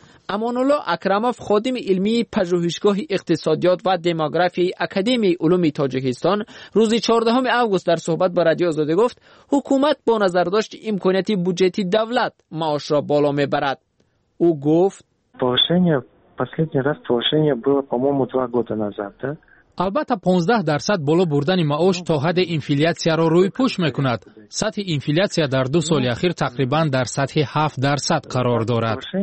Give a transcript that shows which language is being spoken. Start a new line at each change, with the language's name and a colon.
Persian: امان‌الله اکرموف خادم علمی پژوهشگاه اقتصادیات و دموگرافی اکادمی علوم تاجیکستان روز 14 آوگوست در صحبت با رادیو آزادی گفت حکومت با نظر داشت امکانات بودجه دولت معاش را بالا میبرد. او گفت
Russian: последний раз повышение было, по-моему, 2 года назад, да?
Persian: البته 15% بالا بردن معاش تا حد انفلیاسیا را روی پوش میکند. سطح انفلیاسیا در 2 سال اخیر تقریبا در سطح 7% قرار دارد.